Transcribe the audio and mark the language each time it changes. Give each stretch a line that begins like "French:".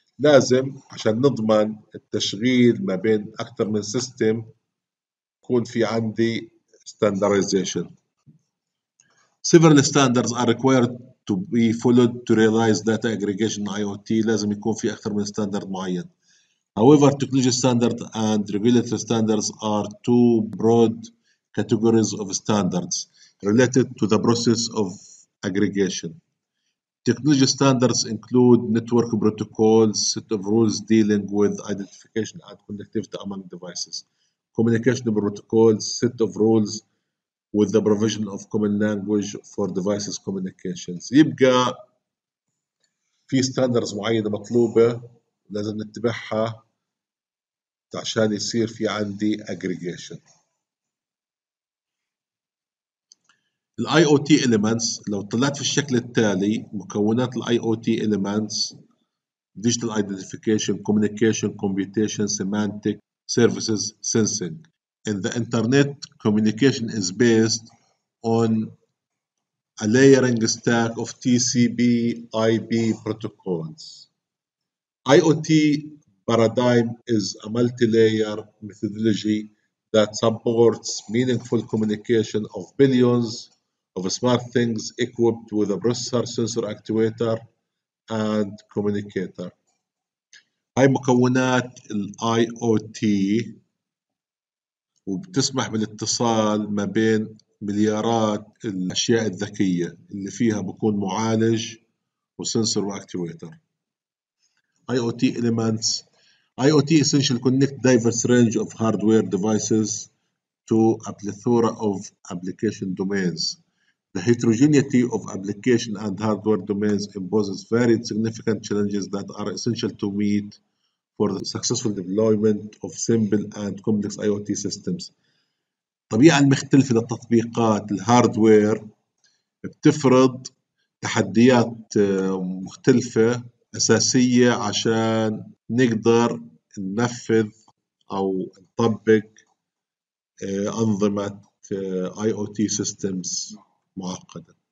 Arabic: لازم عشان نضمن التشغيل ما بين أكثر من سيستم يكون في عندي standardization.
English: Several standards are required to be followed to realize data aggregation IoT.
Arabic: لازم يكون في أكثر من standard معين.
English: However, technology standards and regulatory standards are two broad categories of standards related to the process of aggregation. Technology standards include network protocols, set of rules dealing with identification and connectivity among devices. Communication protocols, set of rules with the provision of common language for devices communications.
Arabic: يبقى في standards معينة مطلوبة لازم نتبعها عشان يصير في عندي aggregation.
English: الـ IoT Elements
Arabic: لو طلعت في الشكل التالي، مكونات الـ
English: IoT Elements: Digital Identification, Communication, Computation, Semantic, Services, Sensing. In the Internet, Communication is based on layering stack of TCP IP protocols. IoT paradigm is a multi-layer methodology that supports meaningful communication of billions of smart things equipped with a processor, sensor, actuator, and communicator.
Arabic: هاي مكونات الـ IoT وبتسمح بالاتصال ما بين مليارات الأشياء الذكية اللي فيها بكون معالج وسنسور وأكتويتر.
English: IoT elements. IoT essentially connect diverse range of hardware devices to a plethora of application domains. The heterogeneity of application and hardware domains imposes varied significant challenges that are essential to meet for the successful deployment of simple and complex IoT systems.
Arabic: طبيعة المختلفة للتطبيقات الهاردوير بتفرض تحديات مختلفة أساسية عشان نقدر ننفذ أو نطبق أنظمة IoT systems معقدة.